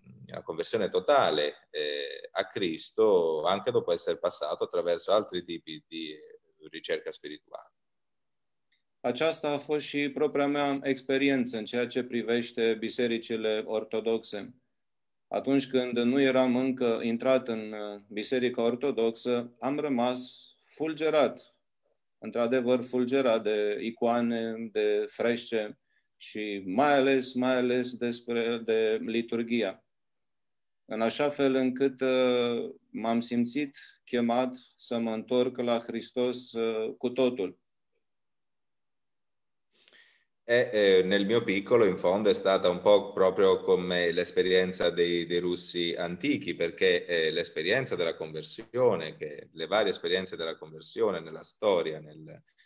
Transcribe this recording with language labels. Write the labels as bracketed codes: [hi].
[it] una conversione totale a Cristo anche dopo essere passato attraverso altri tipi di ricerca spirituale. [ro] Aceasta a fost și propria mea experiență în ceea ce privește bisericile ortodoxe. Atunci când nu eram încă intrat în Biserica Ortodoxă, am rămas fulgerat, într-adevăr fulgerat de icoane, de fresce și mai ales despre de liturghia. În așa fel încât m-am simțit chemat să mă întorc la Hristos cu totul. [it] Nel mio piccolo, in fondo, è stata un po' proprio come l'esperienza dei russi antichi, perché l'esperienza della conversione, che le varie esperienze della conversione nella storia, nel